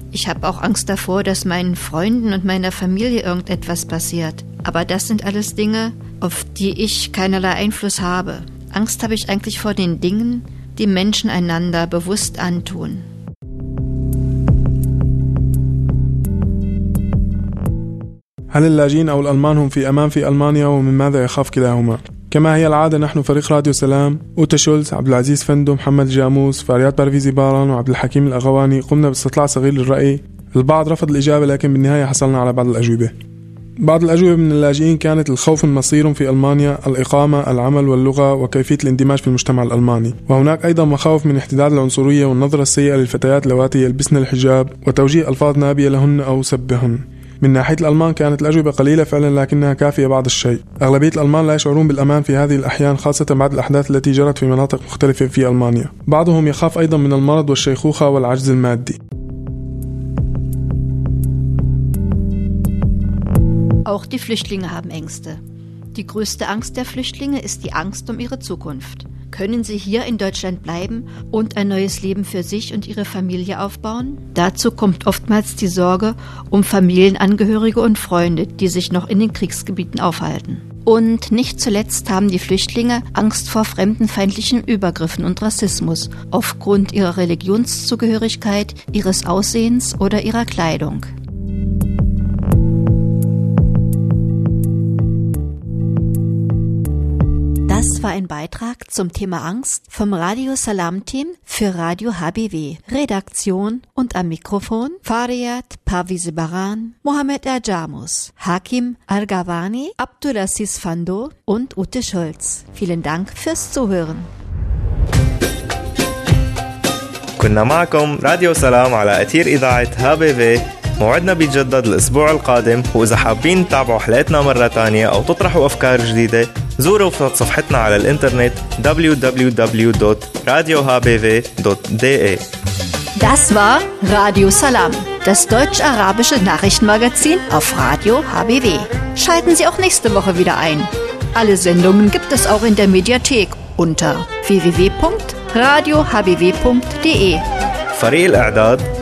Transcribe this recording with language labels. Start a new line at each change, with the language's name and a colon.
German: Ich habe auch Angst davor, dass meinen Freunden und meiner Familie irgendetwas passiert. Aber das sind alles Dinge, auf die ich keinerlei Einfluss habe. Angst habe ich eigentlich vor den Dingen, die Menschen einander bewusst antun.
Arabic: هل اللاجئين أو الألمان هم في أمان في ألمانيا ومن ماذا يخاف كلاهما؟ كما هي العادة نحن فريق راديو سلام أوتا شولز عبد العزيز فندو محمد جاموس فاريات بارفيزي باران وعبد الحكيم الأغواني قمنا باستطلاع صغير للرأي البعض رفض الإجابة لكن بالنهاية حصلنا على بعض الأجوبة بعض الأجوبة من اللاجئين كانت الخوف من مصيرهم في ألمانيا الإقامة العمل واللغة وكيفية الاندماج في المجتمع الألماني وهناك أيضا مخاوف من احتداد العنصرية والنظرة السيئة للفتيات اللواتي يلبسن الحجاب وتوجيه ألفاظ نابية لهن أو سبهن من ناحية الألمان كانت الأجوبة قليلة فعلا لكنها كافية بعض الشيء أغلبية الألمان لا يشعرون بالأمان في هذه الأحيان خاصة بعد الأحداث التي جرت في مناطق مختلفة في ألمانيا بعضهم يخاف أيضا من المرض والشيخوخة والعجز المادي
German: Auch die Flüchtlinge haben Ängste. Die größte Angst der Flüchtlinge ist die Angst um ihre Zukunft. Können sie hier in Deutschland bleiben und ein neues Leben für sich und ihre Familie aufbauen? Dazu kommt oftmals die Sorge um Familienangehörige und Freunde, die sich noch in den Kriegsgebieten aufhalten. Und nicht zuletzt haben die Flüchtlinge Angst vor fremdenfeindlichen Übergriffen und Rassismus aufgrund ihrer Religionszugehörigkeit, ihres Aussehens oder ihrer Kleidung. Das war ein Beitrag zum Thema Angst vom Radio Salam Team für Radio HBW. Redaktion und am Mikrofon Fariyat Parvizebaran, Mohamed Erjamus, Hakim Al-Ghawani, Abdulaziz Fando und Ute Scholz. Vielen Dank fürs Zuhören.
Arabic: كنا معكم راديو سلام على أثير إذاعة HBW. موعدنا بيتجدد الأسبوع القادم، وإذا حابين تتابعوا حلقتنا مرة تانية أو تطرحوا أفكار جديدة، زوروا صفحتنا على الإنترنت www.radiohbw.de.
German: Das war Radio Salam, das deutsch-arabische Nachrichtenmagazin auf Radio HBW. Schalten Sie auch nächste Woche wieder ein. Alle Sendungen gibt es auch in der Mediathek unter www.radiohbw.de. Fareel Adad.